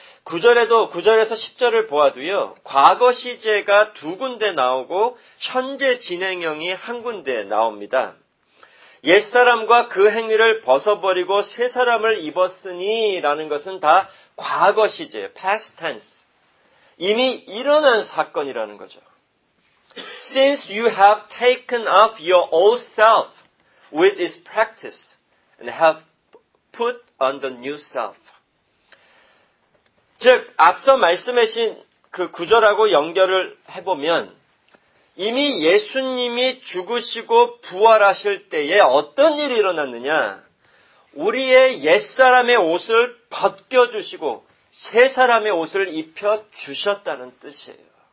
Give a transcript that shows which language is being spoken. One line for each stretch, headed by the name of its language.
Korean: 9절에서 10절을 보아도요. 과거 시제가 두 군데 나오고 현재 진행형이 한 군데 나옵니다. 옛사람과 그 행위를 벗어버리고 새 사람을 입었으니 라는 것은 다 과거 시제, past tense. 이미 일어난 사건이라는 거죠.
English: Since you have taken off your old self with its practice and have put on the new self.
Korean: 즉, 앞서 말씀하신 그 구절하고 연결을 해보면 이미 예수님이 죽으시고 부활하실 때에 어떤 일이 일어났느냐? 우리의 옛사람의 옷을 벗겨주시고 새 사람의 옷을 입혀주셨다는 뜻이에요.